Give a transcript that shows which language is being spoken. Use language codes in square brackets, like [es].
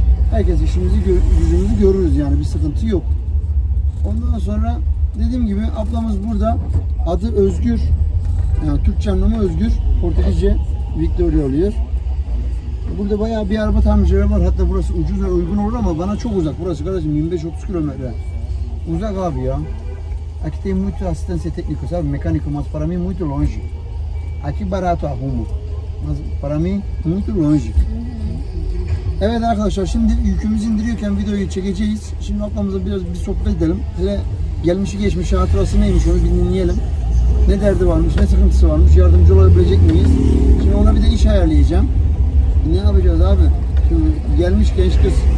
[tr] Herkes işimizi, yüzümüzü görürüz yani bir sıkıntı yok. Ondan sonra dediğim gibi ablamız burada. Adı Özgür. Yani Türkçe anlamı Özgür, Portekizce Victoria oluyor. Burada bayağı bir araba tamircileri var. Hatta burası ucuz ve uygun olur ama bana çok uzak. Burası kardeşim 25-30 kilometre. Uzak abi ya. [pt] Aquí tem muito assistência técnica, sabe? Mecânico, mas para mim muito longe. Aqui barato arrumo. Mas para mim muito longe. [tr] Evet arkadaşlar, şimdi yükümüzü indiriyorken videoyu çekeceğiz. Şimdi ablamıza biraz bir sohbet edelim. Hele gelmişi geçmişi hatırası neymiş onu bir dinleyelim. Ne derdi varmış, ne sıkıntısı varmış, yardımcı olabilecek miyiz? Şimdi ona bir de iş ayarlayacağım. Ne yapacağız abi? Şimdi gelmiş genç kız.